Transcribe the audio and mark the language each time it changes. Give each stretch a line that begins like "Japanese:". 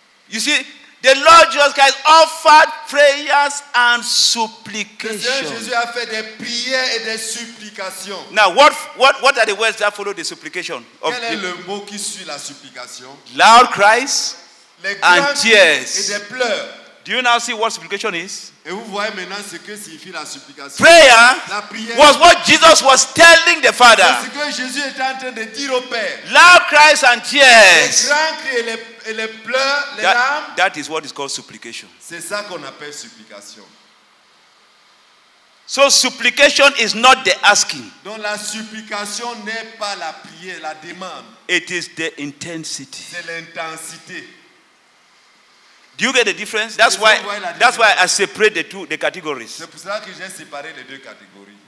English: You see, the Lord Jesus Christ offered prayers and supplications.
French: Jésus a fait des prières et des supplications.
English: Now, what are the words that follow the supplication?
French: Quel est le mot qui suit la supplication?
English: Loud cries and tears.
French: Et des pleurs.
English: Do you now see what supplication is?
French: Et vous voyez maintenant ce que signifie la supplication.
English: Prayer,
French: la prière,
English: was what Jesus was telling the Father.
French: C'est ce que Jésus était en train de dire au Père.
English: Loud cries and tears.
French: Les grands cris et les pleurs, les larmes.
English: That is what is called supplication.
French: C'est ça qu'on appelle supplication.
English: So supplication is not the asking.
French: Donc la supplication n'est pas la prière, la demande.
English: It is the intensity.
French: C'est l'intensité.
English: Do you get the difference? That's why I separate the two, the categories.
French: C'est pour ça que j'ai séparé les deux catégories.